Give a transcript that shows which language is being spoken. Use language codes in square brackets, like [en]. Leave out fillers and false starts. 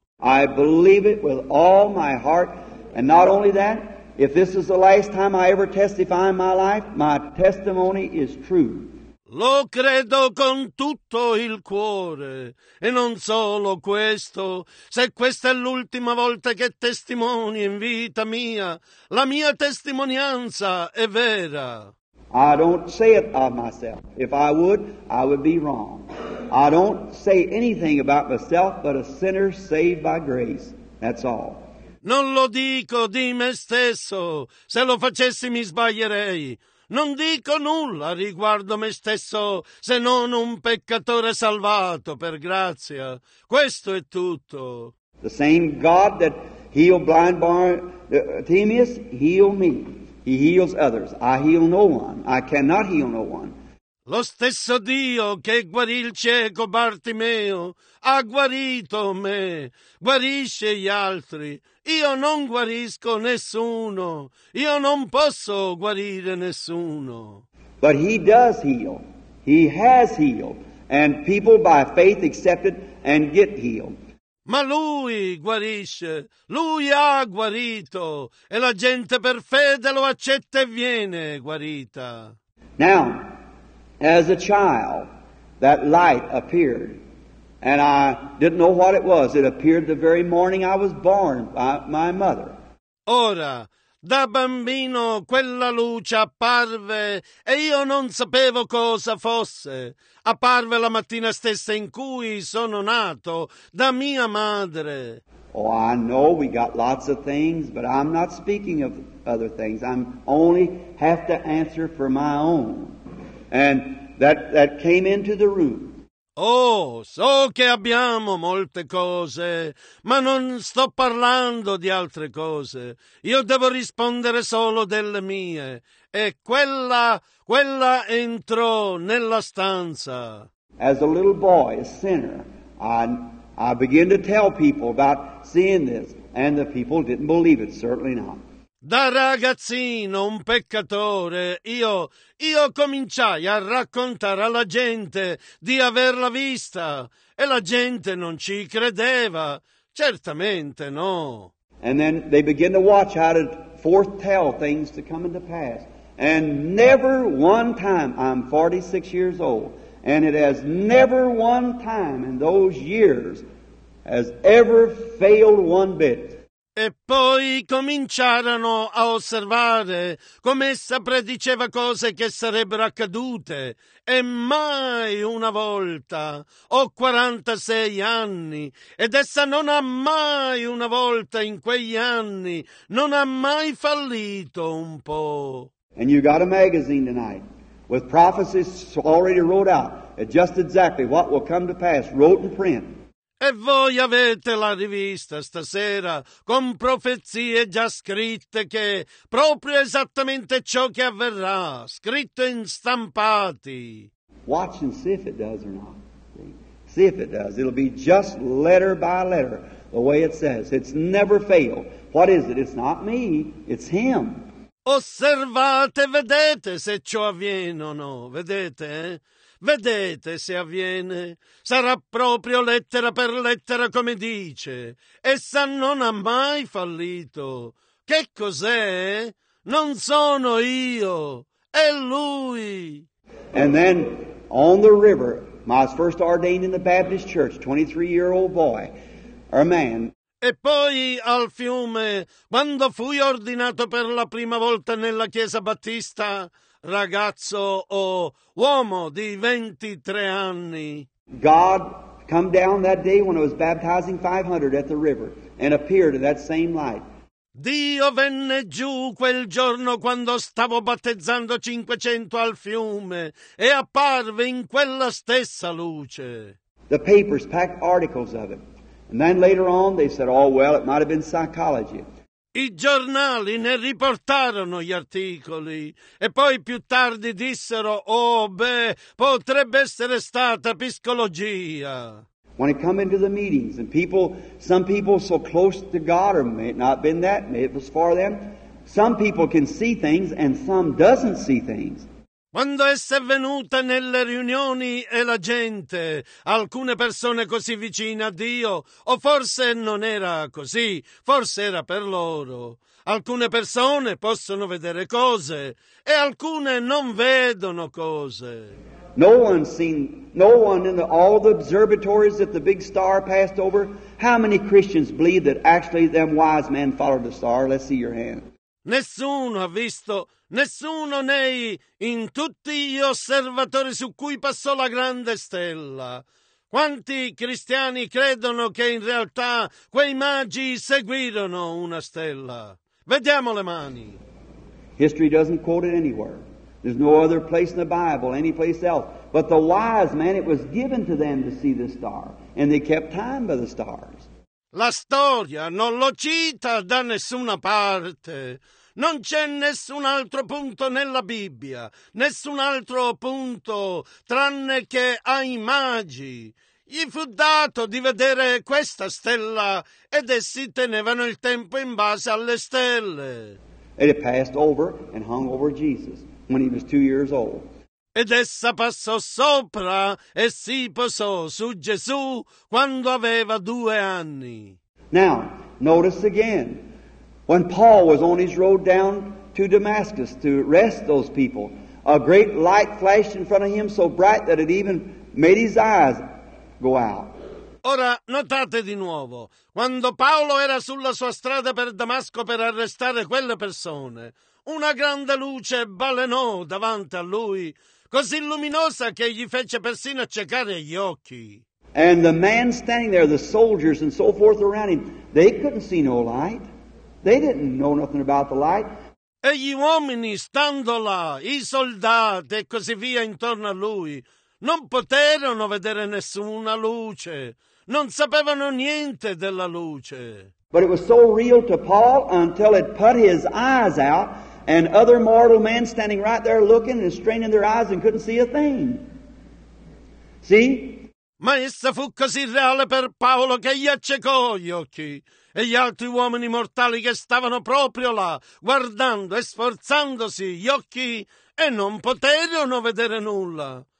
[en] I believe it with all my heart, and not only that, if this is the last time I ever testify in my life, my testimony is true. [it] Lo credo con tutto il cuore, e non solo questo, se questa è l'ultima volta che testimoni in vita mia, la mia testimonianza è vera. [en] I don't say it of myself. If I would be wrong. I don't say anything about myself but a sinner saved by grace. That's all. [it] Non lo dico di me stesso, se lo facessi mi sbaglierei. Non dico nulla riguardo me stesso, se non un peccatore salvato per grazia. Questo è tutto. [en] The same God that healed blind Bartimaeus healed me. He heals others. I heal no one. I cannot heal no one. [it] Lo stesso Dio che guarì il cieco Bartimeo ha guarito me, guarisce gli altri. Io non guarisco nessuno. Io non posso guarire nessuno. [en] But he does heal. He has healed. And people by faith accept it and get healed. [it] Ma lui guarisce. Lui ha guarito. E la gente per fede lo accetta e viene guarita. [en] Now, as a child, that light appeared. And I didn't know what it was. It appeared the very morning I was born by my mother. [it] Ora, da bambino quella luce apparve e io non sapevo cosa fosse. Apparve la mattina stessa in cui sono nato, da mia madre. [en] Oh, I know we got lots of things, but I'm not speaking of other things. I'm only have to answer for my own. And that came into the room. [it] Oh, so che abbiamo molte cose, ma non sto parlando di altre cose. Io devo rispondere solo delle mie. E quella entrò nella stanza. [en] As a little boy, a sinner, I began to tell people about seeing this, and the people didn't believe it, certainly not. [it] Da ragazzino, un peccatore, io cominciai a raccontare alla gente di averla vista e la gente non ci credeva, certamente no. [en] And then they begin to watch how to foretell things to come into pass. And never one time, I'm 46 years old, and it has never one time in those years has ever failed one bit. [it] E poi cominciarono a osservare come essa prediceva cose che sarebbero accadute. E mai una volta, ho 46 anni, ed essa non ha mai una volta in quegli anni, non ha mai fallito un po'. [en] And you got a magazine tonight with prophecies already wrote out, just exactly what will come to pass, wrote in print. [it] E voi avete la rivista stasera con profezie già scritte che proprio esattamente ciò che avverrà, scritto in stampati. [en] Watch and see if it does or not. See if it does. It'll be just letter by letter, the way it says. It's never failed. What is it? It's not me. It's him. [it] Osservate, vedete se ciò avviene o no. Vedete, vedete se avviene. Sarà proprio lettera per lettera come dice. Essa non ha mai fallito. Che cos'è? Non sono io. È lui. [en] And then on the river, my first ordained in the Baptist church, 23-year-old boy, a man. [it] E poi al fiume, quando fui ordinato per la prima volta nella chiesa battista, ragazzo o uomo di 23 anni. [en] God come down that day when I was baptizing 500 at the river and appeared in that same light. [it] Dio venne giù quel giorno quando stavo battezzando 500 al fiume e apparve in quella stessa luce. [en] The papers packed articles of it. And then later on they said, oh well, it might have been psychology. [it] I giornali ne riportarono gli articoli e poi più tardi dissero, oh beh, potrebbe essere stata psicologia. [en] When it come into the meetings and people, some people so close to God, or may it not been that, may it was for them, some people can see things and some doesn't see things. [it] Quando essa è venuta nelle riunioni e la gente, alcune persone così vicine a Dio, o forse non era così, forse era per loro. Alcune persone possono vedere cose e alcune non vedono cose. [en] No one seen, no one in all the observatories that the big star passed over. How many Christians believe that actually them wise men followed the star? Let's see your hand. [it] Nessuno ha visto, nessuno nei in tutti gli osservatori su cui passò la grande stella. Quanti cristiani credono che in realtà quei magi seguirono una stella? Vediamo le mani. [en] History doesn't quote it anywhere. There's no other place in the Bible, any place else. But the wise men, it was given to them to see the star, and they kept time by the stars. [it] La storia non lo cita da nessuna parte. Non c'è nessun altro punto nella Bibbia, nessun altro punto, tranne che ai magi. Gli fu dato di vedere questa stella, ed essi tenevano il tempo in base alle stelle. [en] And it passed over and hung over Jesus when he was 2 years old. [it] Ed essa passò sopra e si posò su Gesù quando aveva 2 anni. [en] Now, notice again, when Paul was on his road down to Damascus to arrest those people, a great light flashed in front of him so bright that it even made his eyes go out. [it] Ora, notate di nuovo, quando Paolo era sulla sua strada per Damasco per arrestare quelle persone, una grande luce balenò davanti a lui, così luminosa che gli fece persino accecare gli occhi. [en] And the man standing there, the soldiers and so forth around him, they couldn't see no light. They didn't know nothing about the light. [it] E gli uomini stando là, i soldati e così via intorno a lui, non poterono vedere nessuna luce. Non sapevano niente della luce. [en] But it was so real to Paul until it put his eyes out. And other mortal men standing right there looking and straining their eyes and couldn't see a thing. See? [it] Ma essa fu così reale per Paolo che gli accecò gli occhi. E gli altri uomini mortali che stavano proprio là, guardando e sforzandosi gli occhi, e non poterono vedere nulla.